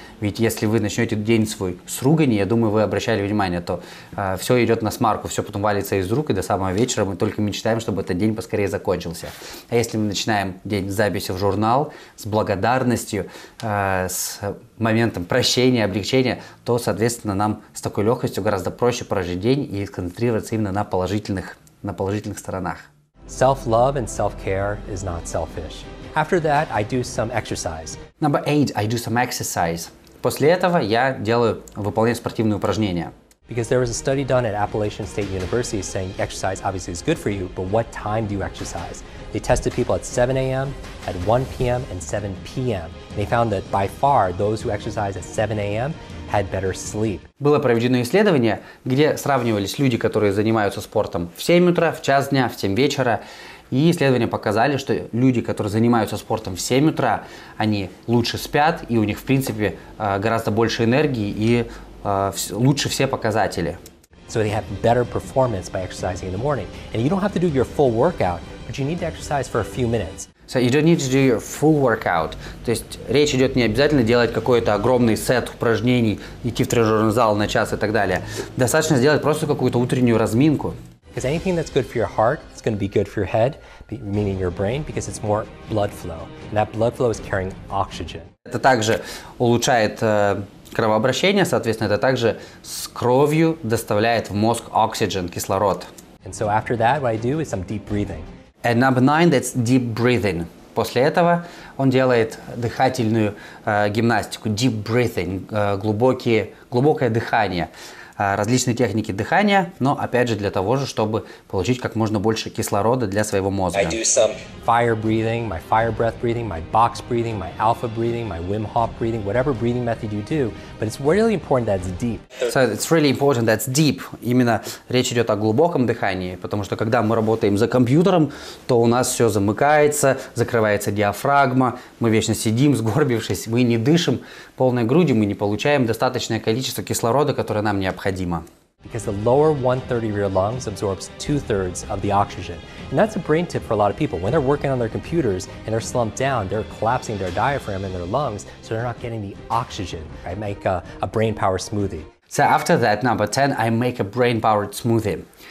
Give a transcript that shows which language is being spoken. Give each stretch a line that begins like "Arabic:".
Russian: Ведь если вы начнете день свой с ругани, я думаю, вы обращали внимание, то все идет на смарку, все потом валится из рук, и до самого вечера мы только мечтаем, чтобы этот день поскорее закончился. А если мы начинаем день с записи в журнал, с благодарностью, с моментом прощения, облегчения, то, соответственно, нам с такой легкостью гораздо проще прожить день и сконцентрироваться именно на положительных сторонах.
English: Self-love and self-care is not selfish. After that, I do some exercise. Number 8, I do some exercise.
Russian: После этого я выполняю спортивные упражнения.
English: Because there was a study done at Appalachian State University saying exercise obviously is good for you, but what time do you exercise? They tested people at 7 a.m., at 1 p.m., and 7 p.m. They found that by far those who exercise at 7 a.m. had better sleep.
Russian: Было проведено исследование, где сравнивались люди, которые занимаются спортом в 7 утра, в час дня, в 7 вечера. И исследования показали, что люди, которые занимаются спортом в 7 утра, они лучше спят, и у них, в принципе, гораздо больше энергии и лучше все показатели.
English: So they have better performance by exercising in the morning. And you don't have to do your full workout, but you need to exercise for a few minutes. So you don't need to do your full workout.
Russian: То есть речь идет не обязательно делать какой-то огромный сет упражнений, идти в тренажерный зал на час и так далее. Достаточно сделать просто какую-то утреннюю разминку.
English: Because anything that's good for your heart, it's going to be good for your head, meaning your brain, because it's more blood flow. And that blood flow is carrying oxygen.
Russian: Это также улучшает кровообращение, соответственно, это также с кровью доставляет в мозг oxygen, кислород.
English: And so after that, what I do is some deep breathing. And number 9, that's deep breathing.
Russian: После этого он делает дыхательную гимнастику, deep breathing, глубокое дыхание. Различные техники дыхания, но опять же для того же, чтобы получить как можно больше кислорода для своего мозга.
English: I do some fire breathing, my fire breath breathing, my box breathing, my alpha breathing, my Wim Hof breathing, whatever breathing method you do, but it's really important that it's deep. So it's really important that it's deep.
Russian: Именно речь идет о глубоком дыхании, потому что когда мы работаем за компьютером, то у нас все замыкается, закрывается диафрагма, мы вечно сидим, сгорбившись, мы не дышим полной грудью, мы не получаем достаточное количество кислорода, которое нам необходимо.
English: Because the lower one-third of your lungs absorbs two-thirds of the oxygen. And that's a brain tip for a lot of people. When they're working on their computers and they're slumped down, they're collapsing their diaphragm and their lungs, so they're not getting the oxygen. I make a brain power smoothie. So after that, number 10, I make a brain powered smoothie.